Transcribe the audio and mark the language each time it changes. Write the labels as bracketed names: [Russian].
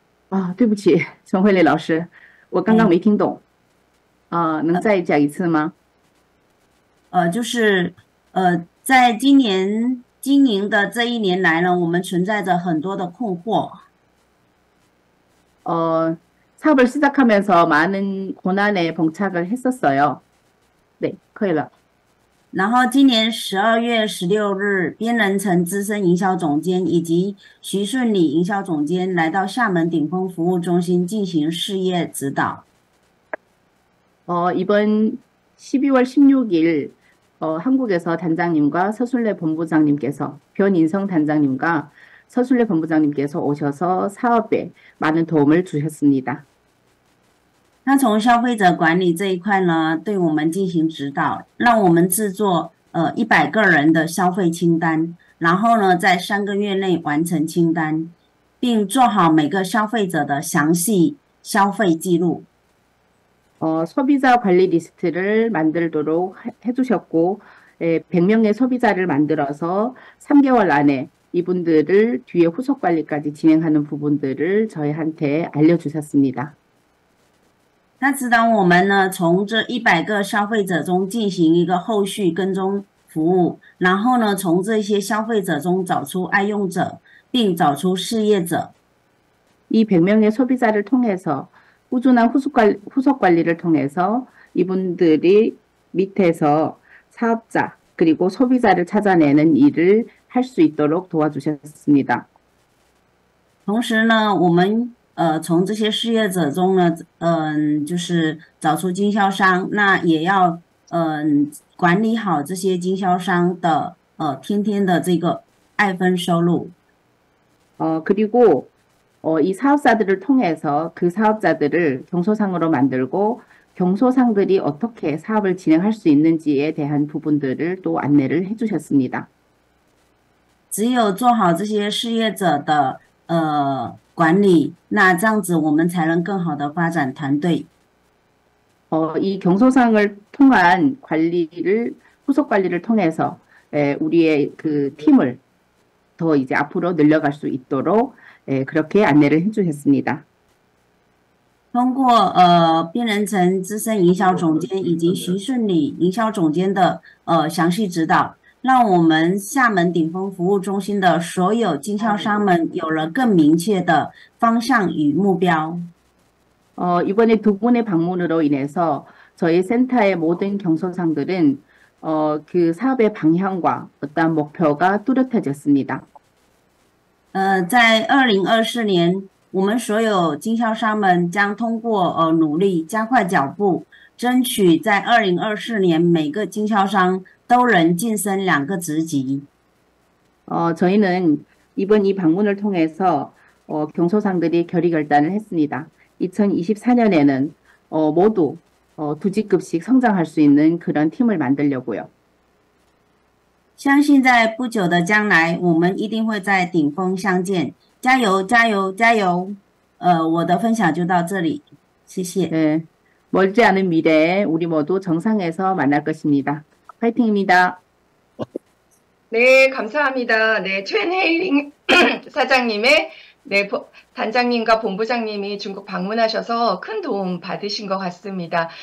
[Chinese] 아, 对不起，陈慧丽老师，我刚刚没听懂。啊，能再讲一次吗？就是在今年经营的这一年来呢，我们存在着很多的困惑。 [Korean] 사업을 시작하면서 많은 고난에 봉착을 했었어요. [Chinese] 네, 可以了. 然后今年12月16日，边南城资深营销总监以及徐顺礼营销总监来到厦门顶峰服务中心进行事业指导。 [Korean] 이번 12월 16일, 한국에서 단장님과 서순례 본부장님께서, 변인성 단장님과 서순례 본부장님께서 오셔서 사업에 많은 도움을 주셨습니다. [Chinese] 他从消费者管理这一块呢，对我们进行指导，让我们制作100个人的消费清单，然后呢，在3个月内完成清单，并做好每个消费者的详细消费记录。 [Korean] 소비자 관리 리스트를 만들도록 해주셨고, 100명의 소비자를 만들어서 3개월 안에 이분들을 뒤에 후속 관리까지 진행하는 부분들을 저희한테 알려주셨습니다. [Chinese] 他指导我们呢，从这100个消费者中进行一个后续跟踪服务，然后呢，从这些消费者中找出爱用者，并找出事业者。 [Korean] 이 100명의 소비자를 통해서 꾸준한 후속 관리를 통해서 이분들이 밑에서 사업자 그리고 소비자를 찾아내는 일을 할수 있도록 도와주셨습니다. [Chinese] 同时呢，我们。从这些事业者中呢，就是找出经销商，那也要管理好这些经销商的天天的这个爱分收入。 [Korean] 그리고 이 사업자들을 통해서 그 사업자들을 경소상으로 만들고 경소상들이 어떻게 사업을 진행할 수 있는지에 대한 부분들을 또 안내를 해주셨습니다. [Chinese] 只有做好这些事业者的管理，那这样子我们才能更好的发展团队。 [Korean] 이 경소상을 통한 관리를, 후속 관리를 통해서 우리의 그 팀을 더 이제 앞으로 늘려갈 수 있도록 그렇게 안내를 해주셨습니다. [Chinese] 通过边南城资深营销总监以及徐顺礼营销总监的详细指导。让我们厦门顶峰服务中心的所有经销商们有了更明确的方向与目标。 [Korean] 이번에 두 분의 방문으로 인해서 저희 센터의 모든 경소상들은 그 사업의 방향과 어떤 목표가 뚜렷해졌습니다. [Chinese] 在2024年，我们所有经销商们将通过努力加快脚步，争取在2024年每个经销商。都能晋升2个职级。 [Korean] 저희는 이번 이 방문을 통해서 경소상들이 결의결단을 했습니다. 2024년에는 모두 두 직급씩 성장할 수 있는 그런 팀을 만들려고요. [Chinese] 相信在不久的将来，我们一定会在顶峰相见。加油，加油，加油！我的分享就到这里，谢谢。 [Korean] 네, 멀지 않은 미래에 우리 모두 정상에서 만날 것입니다. 파이팅입니다. 네, 감사합니다. 네, 최혜린 사장님의 단장님과 본부장님이 중국 방문하셔서 큰 도움 받으신 것 같습니다.